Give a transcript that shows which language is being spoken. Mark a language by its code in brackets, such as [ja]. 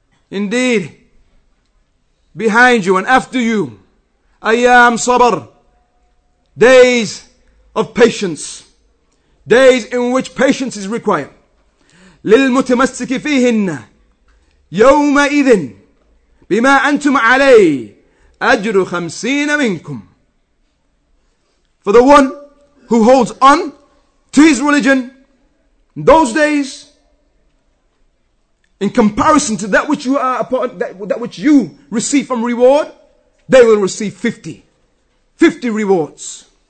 [en] Indeed, behind you and after you, [ar] أيام صبر, [en] days of patience, days in which patience is required. [ar] للمتمسك فيهن يومئذ بما أنتم عليه أجر خمسين منكم. [en] For the one who holds on to his religion, those days, in comparison to that which you are upon, that which you receive from reward, they will receive 50 rewards.